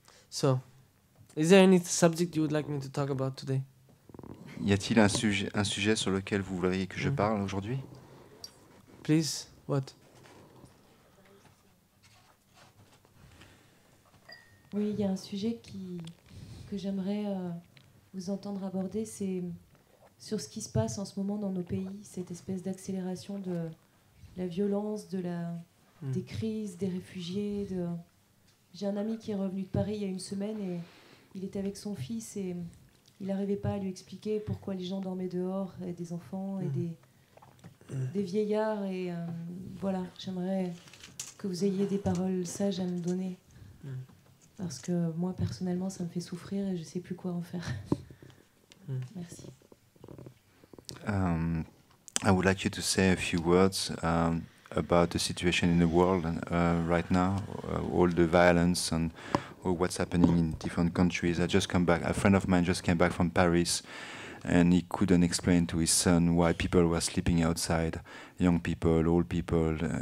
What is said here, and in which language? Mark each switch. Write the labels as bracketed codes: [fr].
[en] So, is there any subject you would like me to talk about today? [fr] Y a-t-il un sujet sur lequel vous voudriez que je parle aujourd'hui? [en] Please, what? [fr] Oui, il y a un sujet que j'aimerais vous entendre aborder, c'est sur ce qui se passe en ce moment dans nos pays, cette espèce d'accélération de la violence, des crises, des réfugiés. J'ai un ami qui est revenu de Paris il y a une semaine et il était avec son fils et il n'arrivait pas à lui expliquer pourquoi les gens dormaient dehors, et des enfants et des vieillards. Et voilà, j'aimerais que vous ayez des paroles sages à me donner. Parce que moi, personnellement, ça me fait souffrir et je ne sais plus quoi en faire. Merci. [en] I would like you to say a few words about the situation in the world right now, all the violence and all what's happening in different countries. I just come back, a friend of mine just came back from Paris and he couldn't explain to his son why people were sleeping outside, young people, old people.